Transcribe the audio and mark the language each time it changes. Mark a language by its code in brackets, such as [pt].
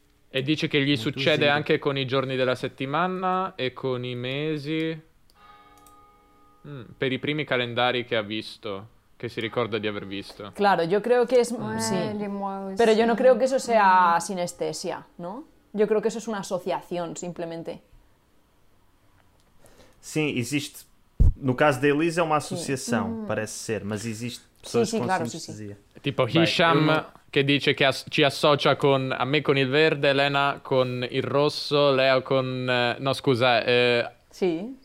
[it] E dice che gli succede anche con i giorni della settimana e con i mesi. Per i primi calendari che ha visto, che si ricorda di aver visto. [es] Claro, yo creo que es... Sí. Pero yo no creo que eso sea sinestesia, ¿no? Yo creo que eso es una asociación, simplemente. [pt] Sim, existe. No caso da Elisa é uma associação, sim. Parece ser, mas existe pessoas sim, sim, com [es] claro, [pt] sinestesia. Sim, sim. Tipo Hisham, que diz que te associa com a mim com o verde, Elena com o rosso, Leo com... Não, scusa, sim.